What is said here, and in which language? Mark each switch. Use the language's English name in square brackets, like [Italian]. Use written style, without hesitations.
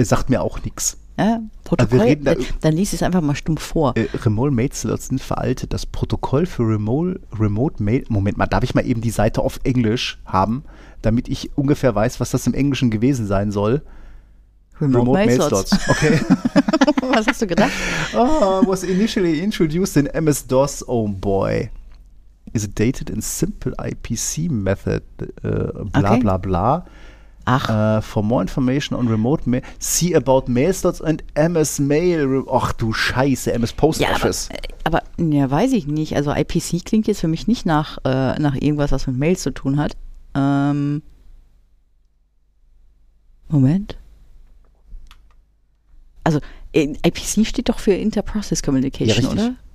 [German] Sagt mir auch nichts. Protokoll, dann liest es einfach mal stumm vor. Remote Mail Slots sind veraltet. Das Protokoll für Remote Mail. Moment mal, darf ich mal eben die Seite auf Englisch haben, damit ich ungefähr weiß, was das im Englischen gewesen sein soll? Remote Mail Slots. Okay. Was hast du gedacht? [English] Oh, was initially introduced in MS-DOS, oh boy. Is it dated in simple IPC method? Bla, okay. Bla, bla. [German] Ach. [English] For more information on remote mail, see about mail slots and MS Mail. [German] Ach du Scheiße, MS Post ja, Office. Aber, weiß ich nicht. Also IPC klingt jetzt für mich nicht nach irgendwas, was mit Mails zu tun hat. Moment. Also IPC steht doch für Inter-Process Communication, ja, oder?